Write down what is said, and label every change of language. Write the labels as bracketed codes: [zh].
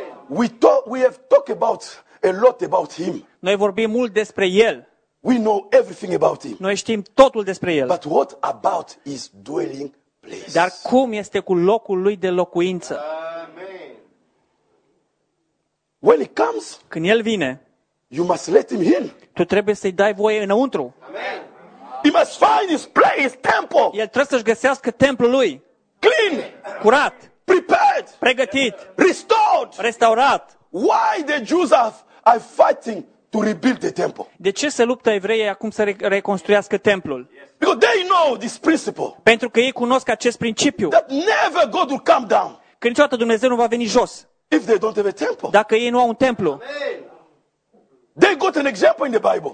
[en] We have talked about a lot about him. [ro] Noi vorbim mult despre el. [en] We know everything about him. [ro] Noi știm totul despre el. [en] But what about his dwelling place? [ro] Dar cum este cu locul lui de locuință? [en] When he comes, [ro] când el vine, [en] you must let him in. [ro] Tu trebuie să-i dai voie înăuntru. [en] Amen. He must find his place, his temple. [ro] El trebuie să-și găsească templul lui. [en] Clean, [ro] curat. [en] Prepared, [ro] pregătit. [en] Restored, [ro] restaurat. [en] Why the Jews are fighting to rebuild the temple? [ro] De ce se luptă evreii acum să reconstruiască templul? [en] Because they know this principle. [ro] Pentru că ei cunosc acest principiu. [en] That never God will come down. [ro] Că niciodată Dumnezeu nu va veni jos. [en] If they don't have a temple. [ro] Dacă ei nu au un templu. [en] Amen. They got an example in the Bible.